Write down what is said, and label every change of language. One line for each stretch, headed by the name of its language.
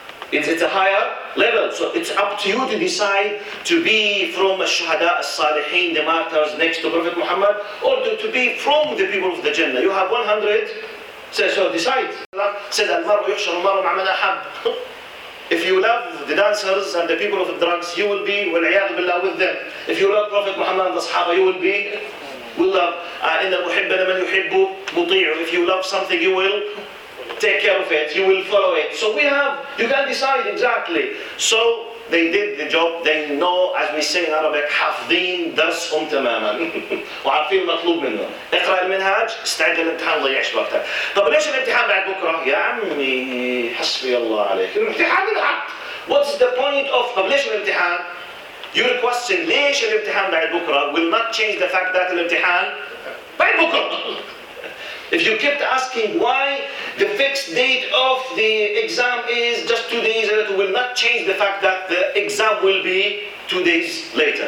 English: it's a higher level so it's up to you to decide to be from
Arabic: الشهداء الصالحين
English: the martyrs next to Prophet Muhammad or to be from the people of the Jannah you have 100 so decide said
Arabic: المرء يحشر المرء مع من أحب
English: If you love the dancers and the people of the drugs, you will be,
Arabic: wal-iyadu billah,
English: with them. If you love Prophet Muhammad and the Sahaba, you will be We love,
Arabic: إن المحب لمن يحب مطيع.
English: If you love something, you will take care of it. You will follow it. So we have, you can decide exactly. So they did the job. They know, as we say in Arabic,
Arabic: حافظين درسهم تماما. وعارفين مطلوب منهم. اقرأ المنهاج, استعد للامتحان, ضيعش وقتك. طب ليش الامتحان بعد بكرة؟ يا عمي حسبي الله عليك. الامتحان الحق.
English: What's the point of,
Arabic: طب ليش الامتحان؟
English: Your question,
Arabic: ليش الامتحان بعد بكرة,
English: will not change the fact that
Arabic: الامتحان بعد بكرة.
English: If you kept asking why the fixed date of the exam is just 2 days, it will not change the fact that the exam will be 2 days later.